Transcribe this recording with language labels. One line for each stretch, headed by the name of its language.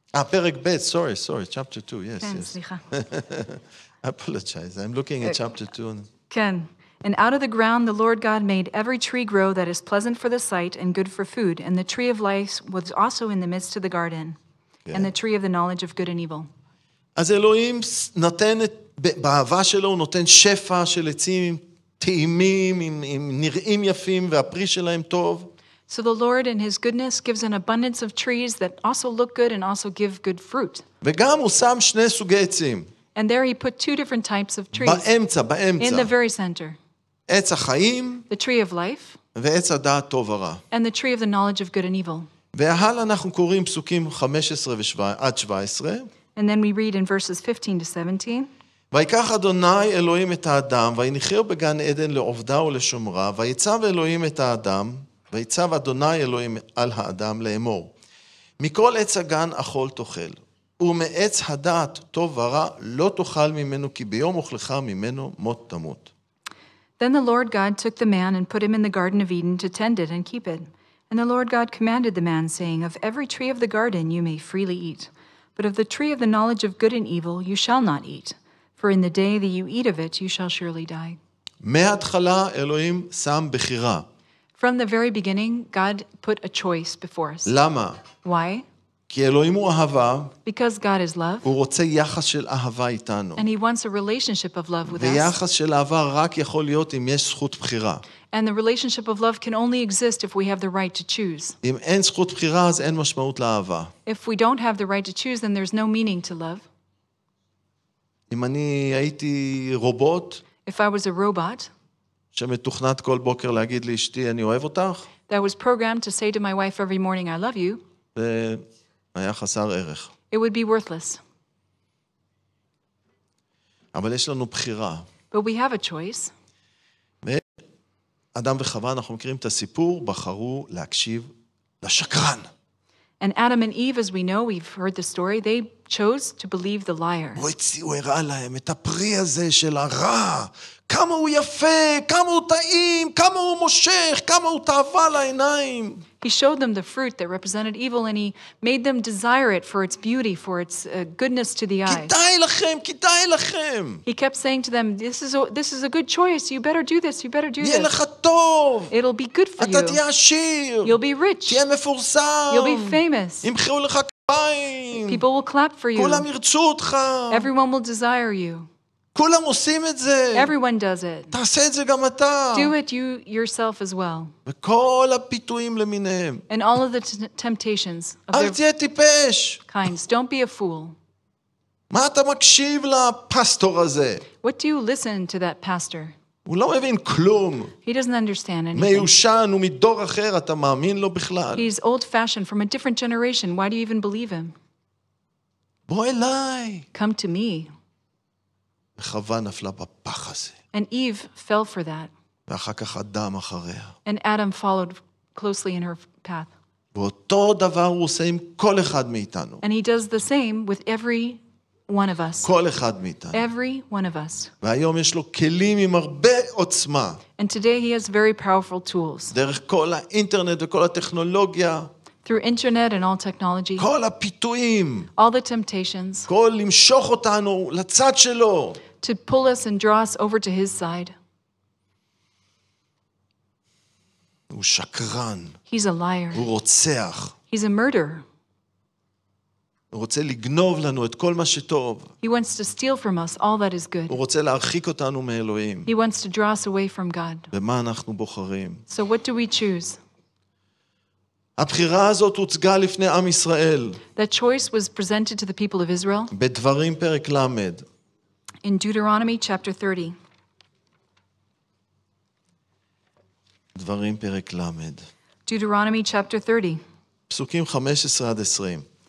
Hebrew: פרק ב',
English: sorry, chapter 2, yes.
Hebrew: כן, סליחה.
English: Apologize, I'm looking at chapter 2.
Hebrew: כן.
English: And out of the ground the Lord God made every tree grow that is pleasant for the sight and good for food, and the tree of life was also in the midst of the garden, and the tree of the knowledge of good and evil.
Hebrew: אז אלוהים נותן, באהבה שלו הוא נותן שפע של עצים טעימים, עם נראים יפים, והפרי שלהם טוב.
English: So the Lord in his goodness gives an abundance of trees that also look good and also give good fruit.
Hebrew: וגם הוא שם שני סוגי עצים.
English: And there he put two different types of trees.
Hebrew: באמצע, באמצע.
English: In the very center.
Hebrew: עץ החיים.
English: The tree of life.
Hebrew: ועץ הדעת טוב ורע.
English: And the tree of the knowledge of good and evil.
Hebrew: והלאה אנחנו קוראים פסוקים 15 עד 17.
English: And then we read in verses 15 to 17.
Hebrew: ויקח אדוני אלוהים את האדם ויניחהו בגן עדן לעובדה ולשומרה ויצב אלוהים את האדם ויצב אדוני אלוהים על האדם לאמור, מכל עץ הגן אכול תאכל, ומעץ הדעת טוב ורע לא תאכל ממנו, כי ביום אוכלך ממנו מות תמות.
English: Then the Lord God took the man and put him in the garden of Eden to tend it and keep it. And the Lord God commanded the man, saying, Of every tree of the garden you may freely eat, but of the tree of the knowledge of good and evil you shall not eat, for in the day that you eat of it you shall surely die.
Hebrew: מההתחלה אלוהים שם בחירה.
English: From the very beginning, God put a choice before us.
Hebrew: למה?
English: Why?
Hebrew: כי אלוהים הוא אהבה.
English: Because God is love.
Hebrew: הוא רוצה יחס של אהבה איתנו.
English: And he wants a relationship of love with
Hebrew: ויחס
English: us.
Hebrew: ויחס של אהבה רק יכול להיות אם יש זכות בחירה.
English: And the relationship of love can only exist if we have the right to choose.
Hebrew: אם אין זכות בחירה, אז אין משמעות לאהבה.
English: If we don't have the right to choose, then there's no meaning to love.
Hebrew: אם אני הייתי רובוט.
English: If I was a robot.
Hebrew: שמתוכנת כל בוקר להגיד לאשתי אני אוהב אותך.
English: That was programmed to say to my wife every morning I love you.
Hebrew: והיה חסר ערך.
English: It would be worthless.
Hebrew: אבל יש לנו בחירה.
English: But we have a choice.
Hebrew: אדם וחווה אנחנו מכירים את הסיפור, בחרו להקשיב לשקרן.
English: And Adam and Eve, as we know, we've heard the story, they chose to believe the liar.
Hebrew: הוא הראה להם את הפרי הזה של הרע. כמה הוא יפה, כמה הוא טעים, כמה הוא מושך, כמה הוא תאווה לעיניים.
English: He showed them the fruit that represented evil and he made them desire it for its beauty, for its goodness to the eye.
Hebrew: כדאי לכם, כדאי לכם.
English: He kept saying to them, this is a good choice, you better do this, you better do this.
Hebrew: יהיה לך טוב.
English: It'll be good for
Hebrew: אתה
English: you.
Hebrew: אתה תהיה עשיר.
English: You'll be rich.
Hebrew: תהיה מפורסם.
English: You'll be famous.
Hebrew: ימחאו לך כפיים. כפיים.
English: People will clap for you.
Hebrew: כולם ירצו אותך.
English: Everyone will desire you.
Hebrew: כולם עושים את זה.
English: Everyone does it.
Hebrew: תעשה את זה גם אתה.
English: Do it you yourself as well.
Hebrew: וכל הפיתויים למיניהם.
English: And all of the temptations.
Hebrew: אל תהיה טיפש.
English: Kinds. Don't be a fool.
Hebrew: מה אתה מקשיב לפסטור הזה?
English: What do you listen to that pastor?
Hebrew: הוא לא מבין כלום.
English: He doesn't understand anything.
Hebrew: מיושן ומדור אחר, אתה מאמין לו בכלל?
English: He's old-fashioned from a different generation. Why do you even believe him?
Hebrew: בוא אליי.
English: Come to me.
Hebrew: וחווה נפלה בפח הזה.
English: And Eve fell for that.
Hebrew: ואחר כך אדם אחריה.
English: And Adam followed closely in her path.
Hebrew: ואותו דבר הוא עושה עם כל אחד מאיתנו.
English: And he does the same with every one of us.
Hebrew: כל אחד מאיתנו.
English: Every one of us.
Hebrew: והיום יש לו כלים עם הרבה עוצמה.
English: And today he has very powerful tools.
Hebrew: דרך כל האינטרנט וכל הטכנולוגיה.
English: Through internet and all technology.
Hebrew: כל הפיתויים.
English: All the temptations.
Hebrew: כל למשוך אותנו לצד שלו.
English: To pull us and draw us over to his side.
Hebrew: הוא שקרן.
English: He's a liar.
Hebrew: הוא רוצח.
English: He's a murderer.
Hebrew: הוא רוצה לגנוב לנו את כל מה שטוב.
English: He wants to steal from us all that is good.
Hebrew: הוא רוצה להרחיק אותנו מאלוהים.
English: He wants to draw us away from God.
Hebrew: ומה אנחנו בוחרים?
English: So what do we choose?
Hebrew: הבחירה הזאת הוצגה לפני עם ישראל.
English: That choice was presented to the people of Israel.
Hebrew: בדברים פרק למד.
English: In Deuteronomy chapter 30.
Hebrew: דברים פרק למד.
English: Deuteronomy chapter 30.
Hebrew: פסוקים 15 עד 20.